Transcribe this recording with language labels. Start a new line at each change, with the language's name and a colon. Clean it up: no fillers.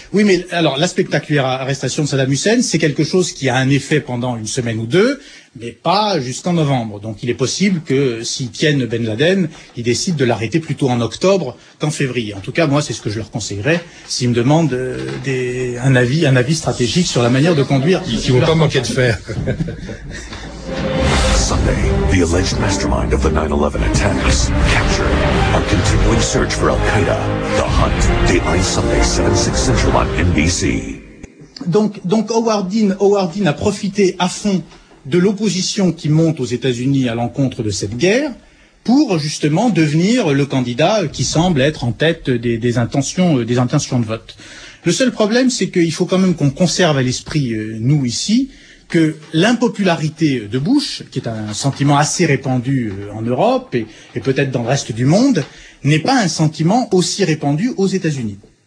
French: Oui, mais alors, la spectaculaire arrestation de Saddam Hussein, c'est quelque chose qui a un effet pendant une semaine ou deux, mais pas jusqu'en novembre. Donc il est possible que s'ils tiennent Ben Laden, ils décident de l'arrêter plutôt en octobre qu'en février. En tout cas, moi, c'est ce que je leur conseillerais s'ils me demandent un avis stratégique sur la manière de conduire. Ils ne vont pas manquer de faire.
English: Sunday, the alleged mastermind of the 9/11 attacks captured. Our continuing search for Al Qaeda. The hunt. Daylight Sunday, 7/6 Central on NBC.
French: Donc Howard Dean a profité à fond de l'opposition qui monte aux États-Unis à l'encontre de cette guerre pour justement devenir le candidat qui semble être en tête des intentions de vote. Le seul problème, c'est qu'il faut quand même qu'on conserve à l'esprit, nous ici, que l'impopularité de Bush, qui est un sentiment assez répandu en Europe et peut-être dans le reste du monde, n'est pas un sentiment aussi répandu aux États-Unis.